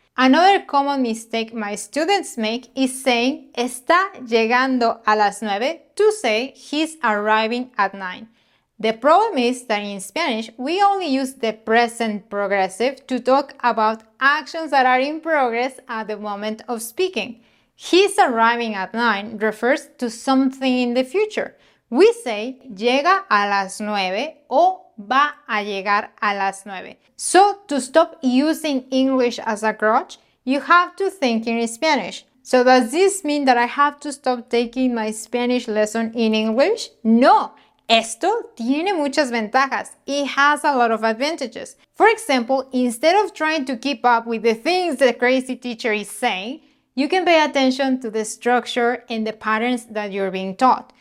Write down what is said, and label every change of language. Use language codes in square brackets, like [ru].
[en] Another common mistake my students make is saying [es] está llegando a las 9 [en] to say he's arriving at 9. The problem is that in Spanish, we only use the present progressive to talk about actions that are in progress at the moment of speaking. He's arriving at 9 refers to something in the future. We say [es] llega a las 9 o va a llegar a las 9. [en] So, to stop using English as a crutch, you have to think in Spanish. So, does this mean that I have to stop taking my Spanish lesson in English? No! [es] Esto tiene muchas ventajas. [en] It has a lot of advantages. For example, instead of trying to keep up with the things the crazy teacher is saying, you can pay attention to the structure and the patterns that you're being taught.